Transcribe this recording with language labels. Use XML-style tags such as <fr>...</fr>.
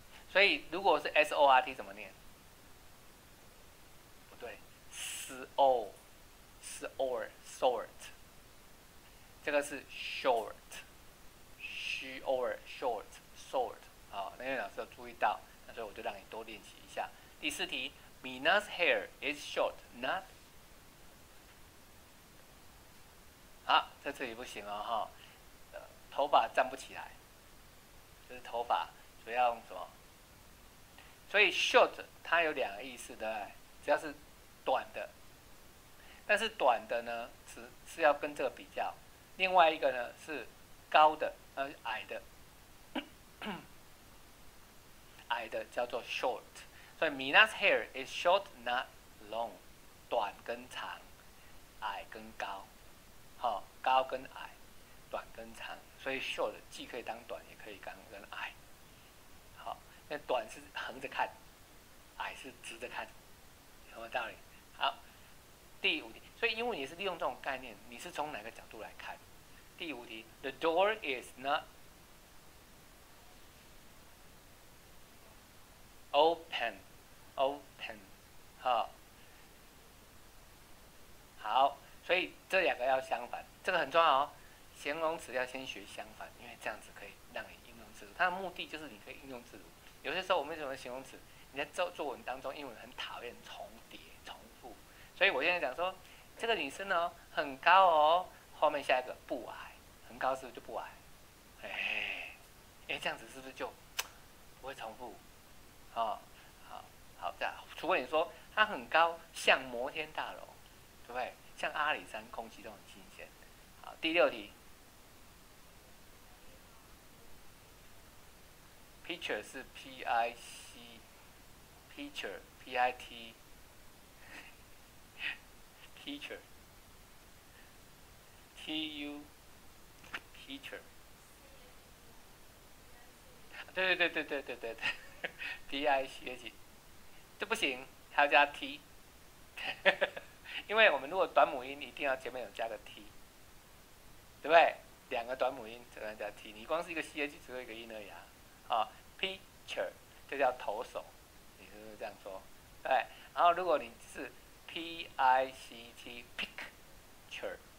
<zh>所以如果是 s o r t 怎么念？不对 ，s o。是 or sort，这个是 short， short， short， 好，那位老师有注意到，那所以我就让你多练习一下。第四题，</zh> <en>Mina's hair is short， not。</en> <zh>好，在这里不行了哈，头发站不起来，就是头发，所以要用什么？所以 short 它有两个意思，对不对？只要是短的，但是短的呢，是要跟这个比较。另外一个呢是高的，矮的，矮的叫做 short。所以</zh> <en>Mina's hair is short, not long。</en> <zh>短跟长，矮跟高，好、哦，高跟矮，短跟长。所以 short 既可以当短，也可以当跟矮。好、哦，那短是横着看，矮是直着看，有没有道理？好，第五题。所以英文也是利用这种概念，你是从哪个角度来看？第五题</zh> <en>，The door is not open.</en> <zh>Open， 好，好，所以这两个要相反，这个很重要哦。形容词要先学相反，因为这样子可以让你应用自如。它的目的就是你可以应用自如。有些时候我们什么形容词，你在作文当中，英文很讨厌重叠、重复，所以我现在讲说，这个女生哦，很高哦，后面下一个不矮。很高是不是就不矮？这样子是不是就不会重复？好，这样，除非你说它很高，像摩天大楼，对不对？像阿里山，空气都很新鲜。好，第六题</zh> <en>，picture 是 P I C， picture P I T， picture T U。</en> <zh>Teacher， 对对对对对对对对 ，P I C H， 这不行，还要加 T， 因为我们如果短母音，一定要前面有加个 T， 对不对？两个短母音，只能加 T， 你光是一个 C H， 只有一个音而已啊。 Pitcher 就叫投手，你是不是这样说？对，然后如果你是 P I C T picture。</zh>